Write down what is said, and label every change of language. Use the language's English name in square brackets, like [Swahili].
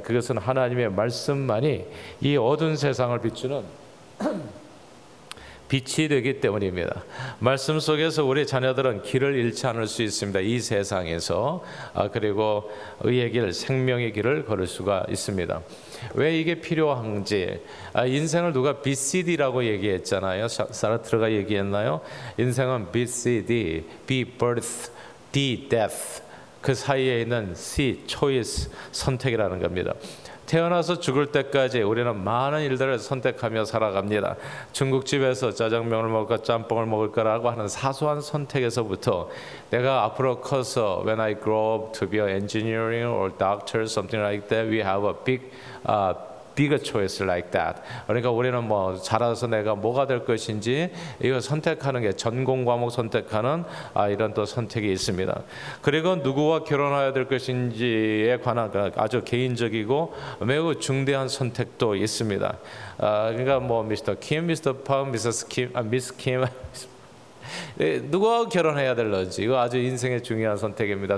[Korean] 그것은 하나님의 말씀만이 이 어두운 세상을 비추는 빛이 되기 때문입니다. 말씀 속에서 우리 자녀들은 길을 잃지 않을 수 있습니다. 이 세상에서 그리고 의의 길, 생명의 길을 걸을 수가 있습니다. 왜 이게 필요한지, 인생을 누가 BCD라고 얘기했잖아요. 사르트르가 얘기했나요? 인생은 BCD, B birth, D death, 그 사이에 있는 C choice, 선택이라는 겁니다. 태어나서 죽을 때까지 우리는 많은 일들을 선택하며 살아갑니다. 중국집에서 짜장면을 먹을까 짬뽕을 먹을까라고 하는 사소한 선택에서부터 내가 앞으로 커서 [English] when I grow up to be an engineering or doctor something like that, we have a bigger choice like that. [Korean] 그러니까 우리는 뭐 자라서 내가 뭐가 될 것인지 이거 선택하는 게 전공 과목 선택하는 이런 또 선택이 있습니다. 그리고 누구와 결혼해야 될 것인지에 관한 아주 개인적이고 매우 중대한 선택도 있습니다. 그러니까 뭐 미스터 킴, 미스터 팡, 미스 킴, 미스 킴 누구와 결혼해야 될지 이거 아주 인생의 중요한 선택입니다.